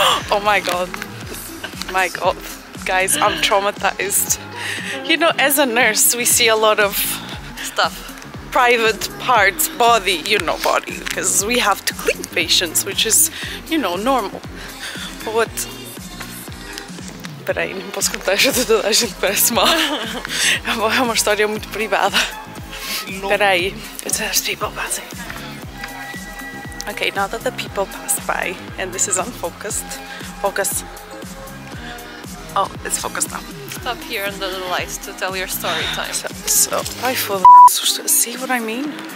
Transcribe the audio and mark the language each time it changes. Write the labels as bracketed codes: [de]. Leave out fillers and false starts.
[en] Oh my god, my god, guys, I'm traumatized. You know, as a nurse, we see a lot of stuff. Private parts, body, you know, body, because we have to clean patients, which is, you know, normal. [pt] But peraí, não posso contar isso a toda a gente, parece mal. É uma história muito privada. Peraí, [en] it's people passing. Okay, now that the people pass by, and this is unfocused, focus. Oh, it's focused now. Stop here under the lights to tell your story time. So I feel see what I mean?